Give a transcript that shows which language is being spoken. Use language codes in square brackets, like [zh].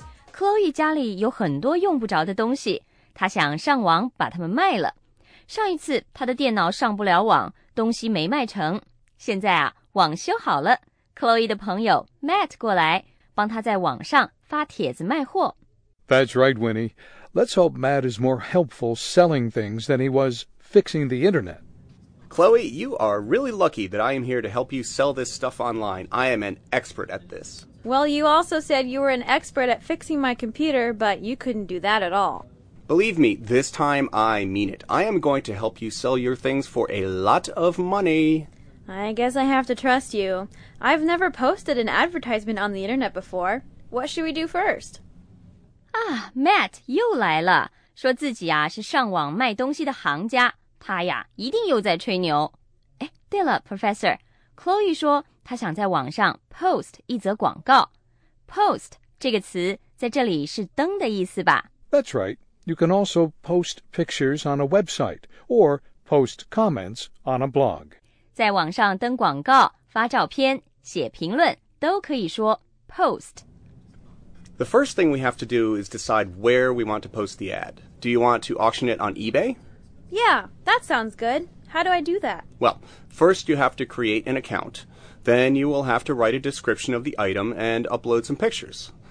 [zh] 克洛伊家里有很多用不着的东西，她想上网把它们卖了。上一次她的电脑上不了网，东西没卖成，现在啊网修好了，克洛伊的朋友 Matt 过来帮她在网上发帖子卖货。 [en] That's right, Winnie. Let's hope Matt is more helpful selling things than he was fixing the internet. Chloe, you are really lucky that I am here to help you sell this stuff online. I am an expert at this. Well, you also said you were an expert at fixing my computer, but you couldn't do that at all. Believe me, this time I mean it. I am going to help you sell your things for a lot of money. I guess I have to trust you. I've never posted an advertisement on the internet before. What should we do first? [zh] Matt 又来了，说自己啊是上网卖东西的行家，他呀一定又在吹牛。哎，对了 Professor， Chloe 说他想在网上 post 一则广告。 post 这个词在这里是登的意思吧？ [en] That's right. You can also post pictures on a website or post comments on a blog. [zh] 在网上登广告、发照片、写评论都可以说 post。 [en] The first thing we have to do is decide where we want to post the ad. Do you want to auction it on eBay? Yeah, that sounds good. How do I do that? Well, first you have to create an account. Then you will have to write a description of the item and upload some pictures.